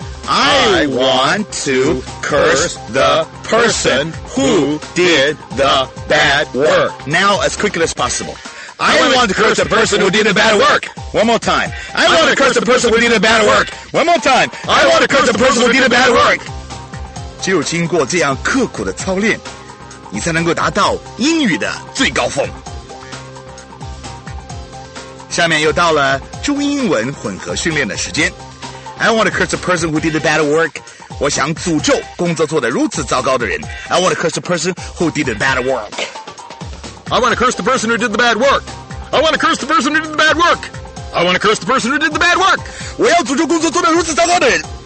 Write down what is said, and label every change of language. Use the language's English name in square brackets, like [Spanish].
[English] I want to curse the person who did the bad work. Now as quickly as possible. I want to curse the person who did the bad work. One more time. I want to curse the person who did the bad work. One more time. I want to curse the person who did the bad work. [Chinese] 只有经过这样刻苦的操练，你才能够达到英语的最高峰。下面又到了中英文混合训练的时间。 [English] I want to curse the person who did the bad work. [Chinese] 我想诅咒工作做得如此糟糕的人。 [English] I want to curse the person who did the bad work. I want to curse the person who did the bad work. I want to curse the person who did the bad work. I want to curse the person who did the bad work. [Chinese] 我要诅咒工作做得如此糟糕的人。